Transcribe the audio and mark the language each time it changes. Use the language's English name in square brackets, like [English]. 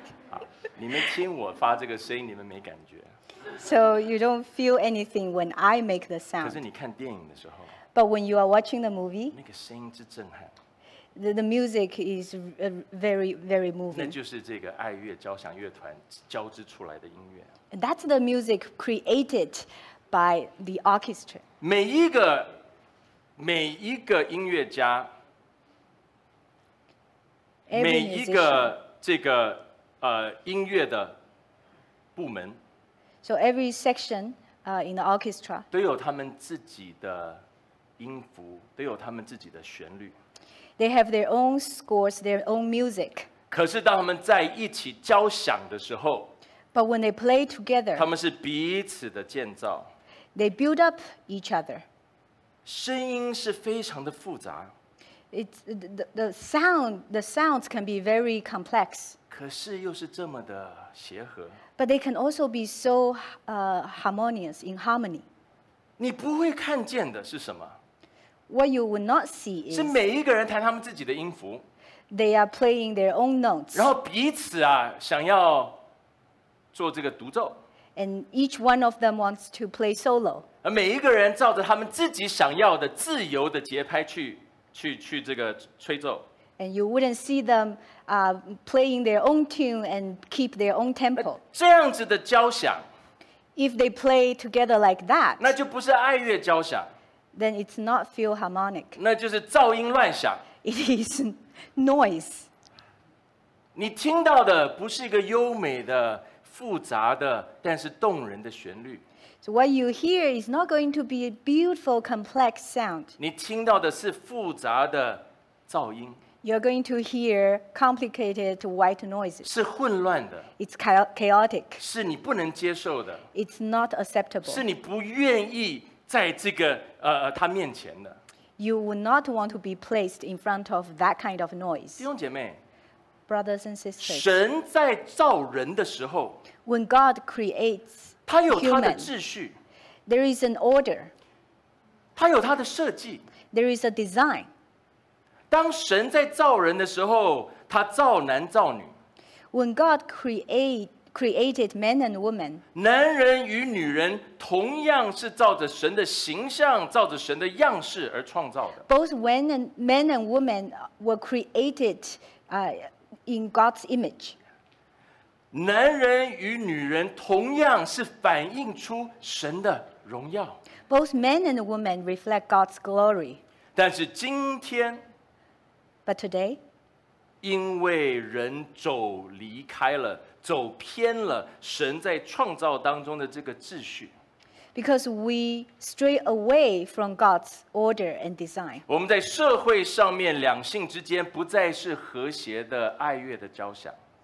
[Chinese] 好，你们听我发这个声音，你们没感觉。 [English] So you don't feel anything when I make the sound. [Chinese] 可是你看电影的时候 [English] But when you are watching the movie, [Chinese] 那个声音之震撼 [English] the music is very, very moving. [Chinese] 那就是这个爱乐交响乐团交织出来的音乐 [English] That's the music created by the orchestra. [Chinese] 每一个音乐家 每一个这个音乐的部门 [English] So every section in the orchestra [Chinese] 都有他们自己的音符，都有他们自己的旋律。 [English] They have their own scores, their own music. [Chinese] 可是当他们在一起交响的时候 [English] ，But when they play together, [Chinese] 他们是彼此的建造。 [English] They build up each other. [Chinese] 声音是非常的复杂。 [English] The sounds can be very complex. [Chinese] 可是又是这么的协和。 [English] But they can also be so harmonious in harmony. [Chinese] 你不会看见的是什么 [English] ？What you would not see is [Chinese] 是每一个人弹他们自己的音符。 [English] They are playing their own notes. [Chinese] 然后彼此啊，想要做这个独奏。 [English] And each one of them wants to play solo. [Chinese] 而每一个人照着他们自己想要的自由的节拍去这个吹奏。 [English] And you wouldn't see them playing their own tune and keep their own tempo. [Chinese] 这样子的交响 [English] If they play together like that, [Chinese] 那就不是爱乐交响 [English] Then it's not philharmonic. [Chinese] 那就是噪音乱响 [English] It is noise. [Chinese] 你听到的不是一个优美的、复杂的，但是动人的旋律 [English] So what you hear is not going to be a beautiful, complex sound. [Chinese] 你听到的是复杂的噪音 [English] You're going to hear complicated white noises. [Chinese] 是混乱的。 [English] It's chaotic. [Chinese] 是你不能接受的。 [English] It's not acceptable. [Chinese] 是你不愿意在这个他面前的。 [English] You would not want to be placed in front of that kind of noise. [Chinese] 弟兄姐妹 [English] brothers and sisters. [Chinese] 神在造人的时候 [English] when God creates human, [Chinese] 他有他的秩序。 [English] There is an order. [Chinese] 他有他的设计。 [English] There is a design. [Chinese] 当神在造人的时候，他造男造女。 [English] When God create, created men and women. [Chinese] 男人与女人同样是照着神的形象，照着神的样式而创造的。 [English] Both men and women were created, in God's image. [Chinese] 男人与女人同样是反映出神的荣耀。 [English] Both men and women reflect God's glory. [Chinese] 但是今天 [English] ，But today. [Chinese] 因为人走离开了，走偏了神在创造当中的这个秩序。 [English] Because we stray away from God's order and design. [Chinese] 我们在社会上面两性之间不再是和谐的爱乐的交响。